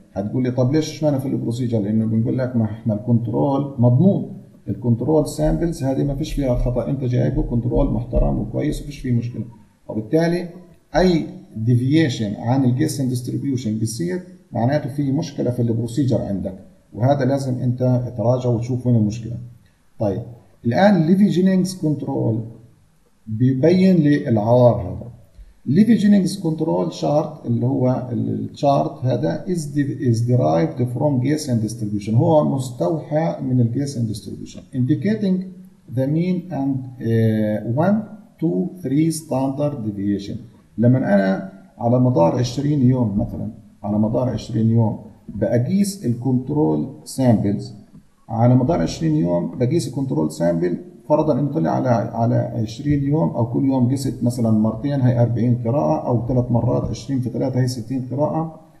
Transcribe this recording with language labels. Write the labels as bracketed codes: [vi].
[ar] هتقول لي طب ليش اشمعنى في البروسيجر؟ لانه بنقول لك ما احنا الكنترول مضمون، الكنترول سامبلز هذه ما فيش فيها خطا، انت جايبه كنترول محترم وكويس وفيش فيه مشكله، وبالتالي اي ديفيشن عن الجيسن ديستريبيوشن بيصير معناته في مشكله في البروسيجر عندك، وهذا لازم انت تراجع وتشوف وين المشكله. طيب الآن ليفي جينينجز كنترول بيبين للعار هذا. ليفي جينينجز كنترول شارت اللي هو الشارت هذا [en] is derived from Gaussian distribution، [ar] هو مستوحى من [en] Gaussian distribution indicating the mean and 1 2 3 standard deviation. [ar] لما أنا على مدار 20 يوم مثلا، على مدار 20 يوم بقيس الكنترول سامبلز، على مدار 20 يوم بقيس الكنترول سامبل، فرضا ان طلع على 20 يوم او كل يوم قست مثلا مرتين هي 40 قراءه، او ثلاث مرات 20 في 3 هي 60 قراءه.